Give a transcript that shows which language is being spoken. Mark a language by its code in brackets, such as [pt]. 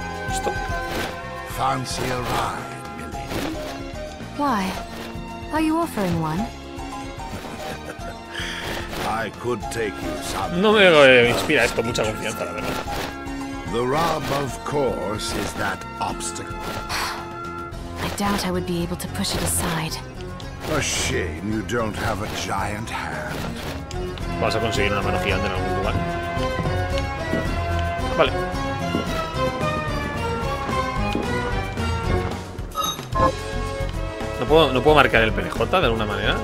[es] ¿Esto? [en] Fancy a ride, Millie. Why? Are you offering one? I could take you some. [es] No me inspira esto mucha confianza, la verdad. [en] The rub, of course, is that obstacle. I doubt I would be able to push it aside. A shame you don't have a giant hand. [es] Vas a conseguir una mano gigante en algún lugar. Vale. No puedo marcar el PNJ de alguna manera.